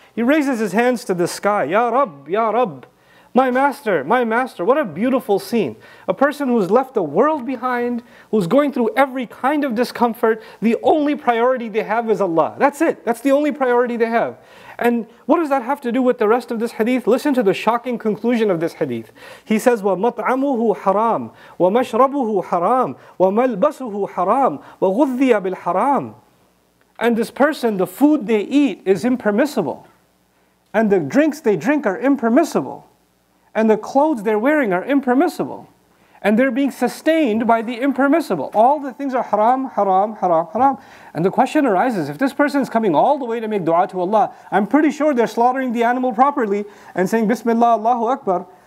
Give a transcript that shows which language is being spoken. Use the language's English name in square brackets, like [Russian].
[English] He raises his hands to the sky. Ya Rab, Ya Rab. My Master, what a beautiful scene. A person who's left the world behind, who's going through every kind of discomfort, the only priority they have is Allah. That's it. That's the only priority they have. And what does that have to do with the rest of this hadith? Listen to the shocking conclusion of this hadith. [Arabic] He says, وَمَطْعَمُهُ حَرَامٌ وَمَشْرَبُهُ حَرَامٌ وَمَلْبَسُهُ حَرَامٌ وَغُذِّيَ بِالْحَرَامِ. [English] And this person, the food they eat is impermissible. And the drinks they drink are impermissible. And the clothes they're wearing are impermissible. And they're being sustained by the impermissible. All the things are haram, haram, haram, haram. And the question arises, if this person is coming all the way to make dua to Allah, I'm pretty sure they're slaughtering the animal properly and saying, Bismillah, Allahu Akbar.